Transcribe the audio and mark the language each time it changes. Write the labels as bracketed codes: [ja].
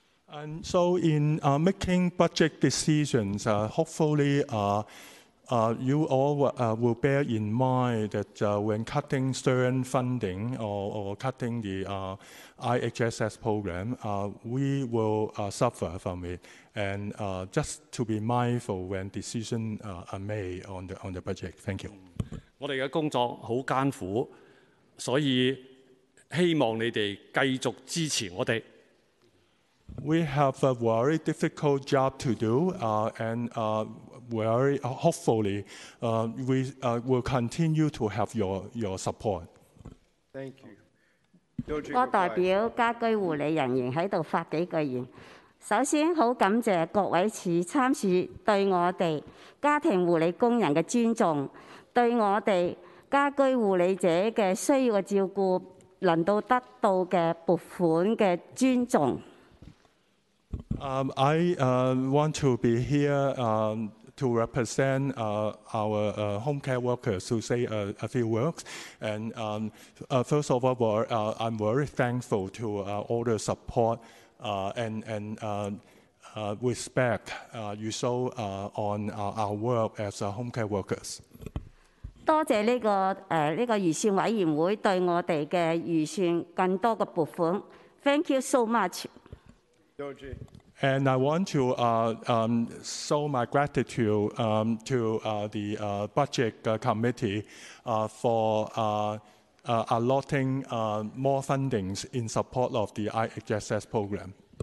[en] And so in making budget decisions, hopefully you all will bear in mind that when cutting certain funding or cutting the IHSS program, we will suffer from it. And just to be mindful when decisions are made on the budget. Thank you. [yue] 我哋嘅工作好艱苦，所以希望你哋繼續支持我哋。 [en] We have a very difficult job to do, and very hopefully, we will continue to have your support. Thank you. [yue] 我代表家居護理人員喺度發幾句言。首先，好感謝各位市參市對我哋家庭護理工人嘅尊重，對我哋家居護理者嘅需要嘅照顧能到得到嘅撥款嘅尊重。 [en] I want to be here to represent our home care workers to say a few words. And first of all, I'm very thankful to all the support and respect you show on our work as home care workers. [yue] 多謝這個預算委員會對我們的預算更多的撥款。 [en] Thank you so much. Doji. And I want to show my gratitude to the budget committee for allotting more fundings in support of the IHSS program.